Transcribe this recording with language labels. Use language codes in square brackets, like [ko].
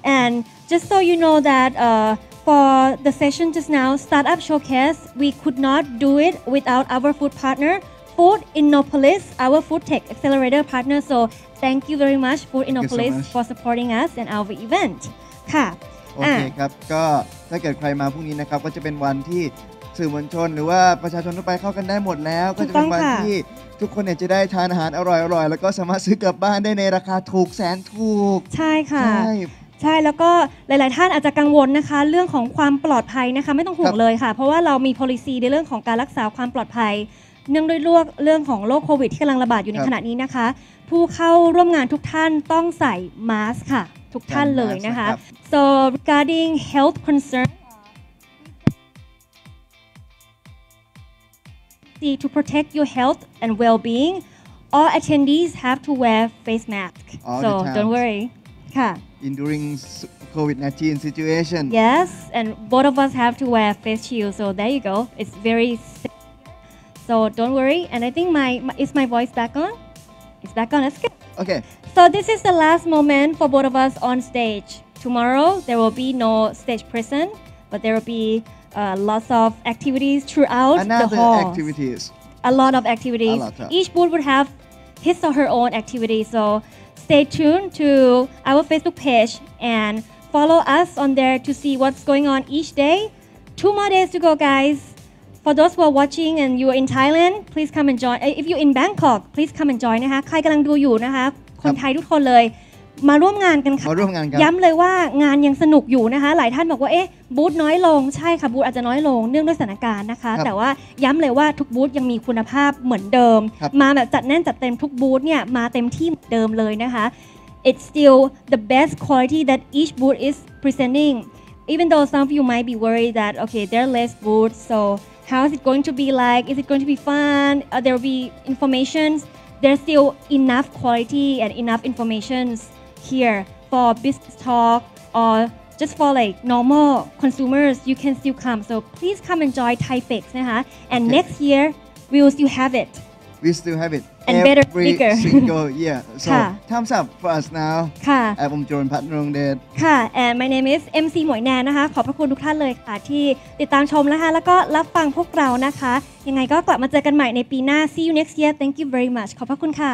[en] and just so you know that for the session just now startup showcase we could not do it without our food partner Food Innopolis our food tech accelerator partner so thank you very much Food Innopolis so much. For supporting us and our event ค่ะ [th] โอเคครับก็ถ้าเกิดใครมาพรุ่งนี้นะครับก็จะเป็นวันที่สื่อมวลชนหรือว่าประชาชนทั่วไปเข้ากันได้หมดแล้วก็ จะเป็นวันที่ทุกคนเนี่ยจะได้ทานอาหารอร่อยๆแล้วก็สามารถซื้อกลับบ้านได้ในราคาถูกแสนถูก ใช่ค่ะ ใช่ใช่แล้วก็หลายๆท่านอาจจะกังวลนะคะเรื่องของความปลอดภัยนะคะไม่ต้องห่วงเลยค่ะเพราะว่าเรามี policy ในเรื่องของการรักษาความปลอดภัยเนื่องด้วยเรื่องของโรคโควิดที่กำลังระบาดอยู่ในขณะนี้นะคะผู้เข้าร่วมงานทุกท่านต้องใส่มาสก์ค่ะทุกท่านเลยนะคะ [en] so regarding health concernTo protect your health and well-being, all attendees have to wear face mask. All so don't worry. In during COVID-19 situation. Yes, and both of us have to wear face shield. So there you go. It's very safe. So don't worry. And I think my voice back on? It's back on. Let's go. Okay. So this is the last moment for both of us on stage. Tomorrow, there will be no stage present, but there will be... lots of activities throughout Another the hall. Activities. A lot of activities. Lot of. Each booth would have his or her own activity. So stay tuned to our Facebook page and follow us on there to see what's going on each day. Two more days to go, guys. For those who are watching and you're in Thailand, please come and join. If you're in Bangkok, please come and join. [th] นะคะ ใครกำลังดูอยู่นะคะ คนไทยทุกคนเลยมาร่วมงานกันค่ะ มาร่วมงานกัน ย้ำเลยว่างานยังสนุกอยู่นะคะหลายท่านบอกว่าเอ๊ะบูธน้อยลงใช่ค่ะบูธอาจจะน้อยลงเนื่องด้วยสถานการณ์นะคะแต่ว่าย้ำเลยว่าทุกบูธยังมีคุณภาพเหมือนเดิมมาแบบจัดแน่นจัดเต็มทุกบูธเนี่ยมาเต็มที่เหมือนเดิมเลยนะคะ [en] it's still the best quality that each booth is presenting even though some of you might be worried that okay there are less booths so how is it going to be like is it going to be fun there will be information there's still enough quality and enough informationhere for business talk or just for like normal consumers you can still come so please come enjoy THAIFEX นะคะ and okay. next year we will still have it we still have it and every better bigger single year so thumbs up for us now [th] ค่ะ [en] I'm Joan Patnong Patnong Dead [th] ค่ะ and my name is MC หมวยแนนนะคะขอบพระคุณทุกท่านเลยค่ะที่ติดตามชมนะคะแล้วก็รับฟังพวกเรานะคะยังไงก็กลับมาเจอกันใหม่ในปีหน้า [en] see you next year thank you very much [th] ขอบพระคุณค่ะ